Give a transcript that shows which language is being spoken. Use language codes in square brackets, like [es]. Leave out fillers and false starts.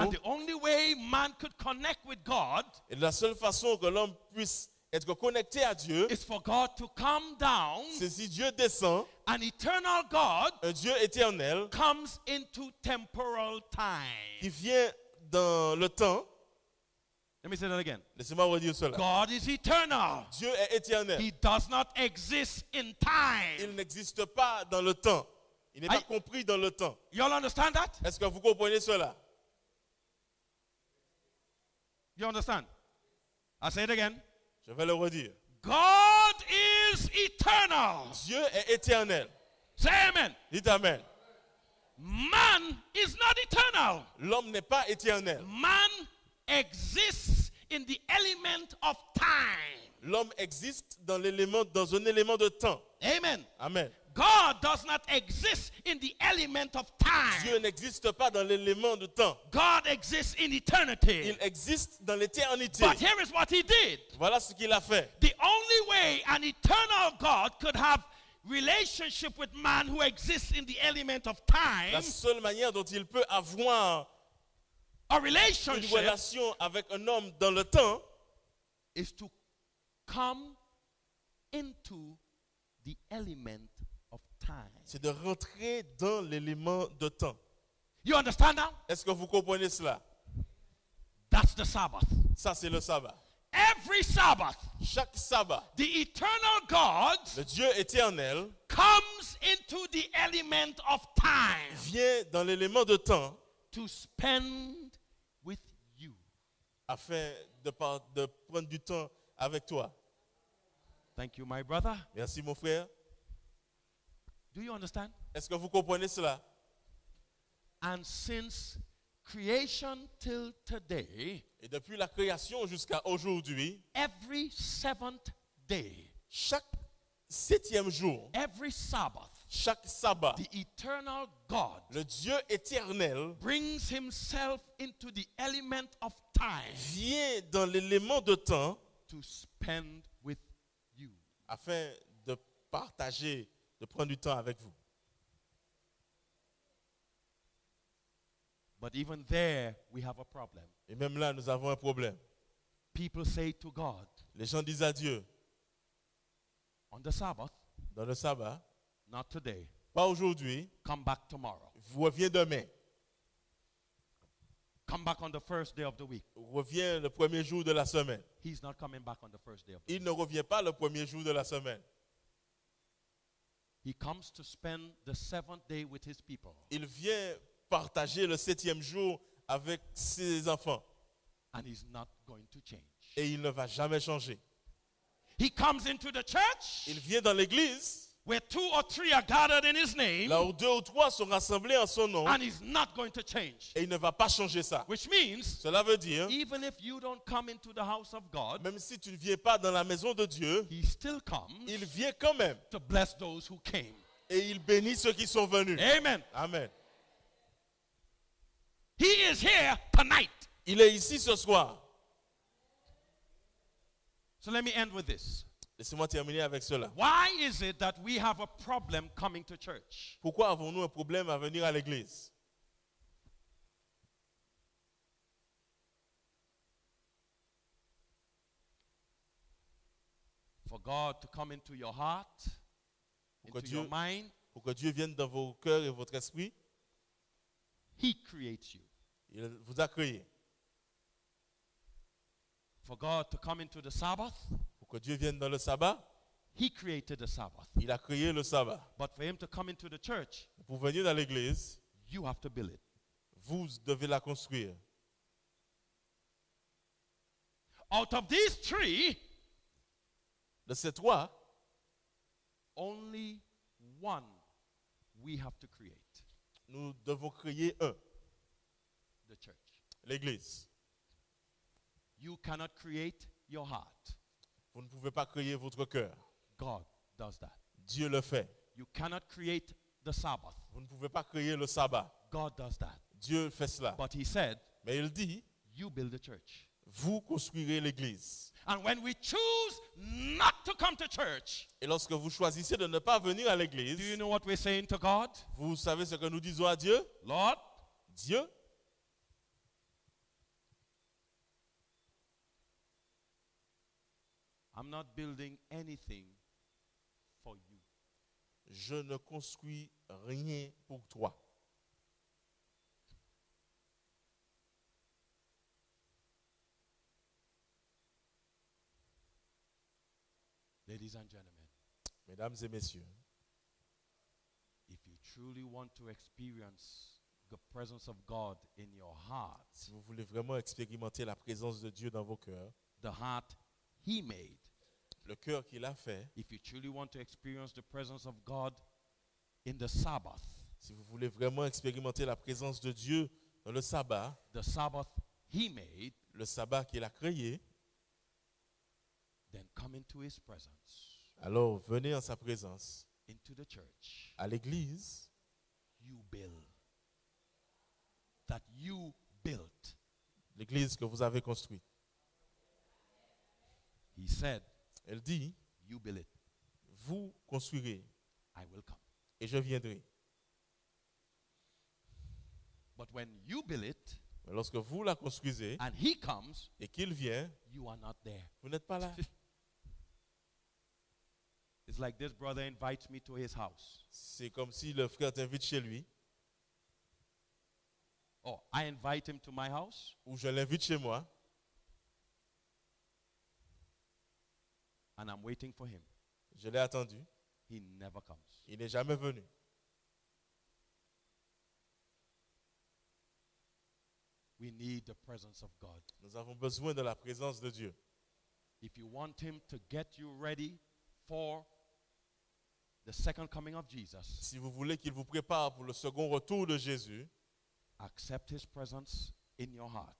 [en] And the only way man could connect with God. [fr] Et la seule façon que l'homme puisse être connecté à Dieu. [en] Is for God to come down. [fr] C'est si Dieu descend. [en] An eternal God. [fr] Un Dieu éternel. [en] Comes into temporal time. [fr] Il vient dans le temps. [en] Let me say that again. [fr] Laissez-moi vous dire cela. [en] God is eternal. [fr] Dieu est éternel. [en] He does not exist in time. [fr] Il n'existe pas dans le temps. Il n'est pas compris dans le temps. [en] You all understand that? [fr] Est-ce que vous comprenez cela? [en] You understand? I say it again. [fr] Je vais le redire. [en] God is eternal. [fr] Dieu est éternel. [en] Say amen. [fr] Dites amen. [en] Man is not eternal. [fr] L'homme n'est pas éternel. [en] Man exists in the element of time. [fr] L'homme existe dans un élément de temps. [en] Amen. [fr] Amen. [en] God does not exist in the element of time. [fr] Dieu n'existe pas dans l'élément de temps. [en] God exists in eternity. [fr] Il existe dans l'éternité. [en] But here is what he did. [fr] Voilà ce qu'il a fait. [en] The only way an eternal God could have relationship with man who exists in the element of time. [fr] La seule manière dont il peut avoir [en] a relationship, [fr] une relation avec un homme dans le temps, [en] is to come into the element. [fr] C'est de rentrer dans l'élément de temps. [en] You understand now? [fr] Est-ce que vous comprenez cela? [en] That's the Sabbath. [fr] Ça c'est le sabbat. [en] Every Sabbath. [fr] Chaque sabbat. [en] The eternal God. [fr] Le Dieu éternel. [en] Comes into the element of time. [fr] Vient dans l'élément de temps. [en] To spend with you. [fr] Afin de prendre du temps avec toi. [en] Thank you, my brother. [fr] Merci, mon frère. [en] Do you understand? [fr] Est-ce que vous comprenez cela? [en] And since creation till today, [fr] et depuis la création jusqu'à aujourd'hui, [en] every seventh day, [fr] chaque septième jour, [en] every Sabbath, [fr] chaque sabbat, [en] the eternal God, [fr] le Dieu éternel, [en] brings himself into the element of time, [fr] vient dans l'élément de temps, [en] to spend with you, [fr] afin de partager. De prendre du temps avec vous. [en] But even there, we have a problem. [fr] Et même là, nous avons un problème. [en] People say to God, [fr] les gens disent à Dieu. [en] On the Sabbath, [fr] dans le sabbat. [en] Not today, [fr] pas aujourd'hui. [en] Come back tomorrow. [fr] Reviens demain. [en] Come back on the first day of the week. [fr] Reviens le premier jour de la semaine. [en] He's not coming back on the first day of the [fr] week. Il ne revient pas le premier jour de la semaine. [en] He comes to spend the seventh day with his people. [fr] Il vient partager le septième jour avec ses enfants. [en] And he's not going to change. [fr] Et il ne va jamais changer. [en] He comes into the church. [fr] Il vient dans l'église. [en] Where two or three are gathered in his name. [fr] Là où deux ou trois sont rassemblés en son nom. [en] And he's not going to change. [fr] Et il ne va pas changer ça. [en] Which means, [fr] cela veut dire, [en] even if you don't come into the house of God, [fr] même si tu ne viens pas dans la maison de Dieu, [en] he still comes, [fr] il vient quand même, [en] to bless those who came. [fr] Et il bénit ceux qui sont venus. [en] Amen. [fr] Amen. [en] He is here tonight. [fr] Il est ici ce soir. [en] So let me end with this. [fr] Laissez-moi terminer avec cela. [en] Why is it that we have a problem coming to church? [fr] Pourquoi avons-nous un problème à venir à l'église? [en] For God to come into your heart, into your mind, [fr] pour que Dieu vienne dans vos cœurs et votre esprit. [en] He creates you. [fr] Il vous a créé. [en] For God to come into the Sabbath. [fr] Que Dieu vienne dans le sabbat. [en] He created the Sabbath. [fr] Il a créé le sabbat. [en] But for him to come into the church, [fr] pour venir dans l'église, [en] you have to build it. [fr] Vous devez la construire. [en] Out of these three, [fr] de ces trois, [en] only one we have to create. [fr] Nous devons créer un. [en] The church. [fr] L'église. [en] You cannot create your heart. [fr] Vous ne pouvez pas créer votre cœur. [en] God does that. [fr] Dieu le fait. [en] You cannot create the Sabbath. [fr] Vous ne pouvez pas créer le sabbat. [en] God does that. [fr] Dieu fait cela. [en] But he said, [fr] mais il dit, [en] you build the church. [fr] vous construirez l'église. [en] And when we choose not to come to church, [fr] et lorsque vous choisissez de ne pas venir à l'église, [en] do you know what we're saying to God? [fr] Vous savez ce que nous disons à Dieu? [en] Lord, [fr] Dieu, [en] I'm not building anything for you. [fr] Je ne construis rien pour toi. [en] Ladies and gentlemen, [fr] mesdames et messieurs, [en] if you truly want to experience the presence of God in your heart, [fr] si vous voulez vraiment expérimenter la présence de Dieu dans vos cœurs, [en] the heart He made, [fr] le cœur qu'il a fait, [en] if you truly want to experience the presence of God in the Sabbath, [fr] si vous voulez vraiment expérimenter la présence de Dieu dans le sabbat, [en] the Sabbath He made, [fr] le sabbat qu'il a créé, [en] then come into His presence. [fr] Alors venez en sa présence. [en] Into the church. [fr] À l'église. [en] You build. That you built. [fr] L'église que vous avez construite. [en] He said. [fr] Elle dit. [en] You build it. [fr] Vous construirez. [en] I will come. [fr] Et je viendrai. [en] But when you build it. [fr] Mais lorsque vous la construisez. [en] And He comes. [fr] Et qu'il vient. [en] You are not there. [fr] Vous n'êtes pas là. [en] It's like this brother invites me to his house. [fr] C'est comme si le frère t'invite chez lui. [en] Oh, I invite him to my house. [fr] Ou je l'invite chez moi. [en] And I'm waiting for him. [fr] Je l'ai attendu. [en] He never comes. [fr] Il n'est jamais venu. [en] We need the presence of God. [fr] Nous avons besoin de la présence de Dieu. [en] If you want him to get you ready for the second coming of Jesus. [fr] Si vous voulez qu'il vous prépare pour le second retour de Jésus, [en] accept His presence in your heart.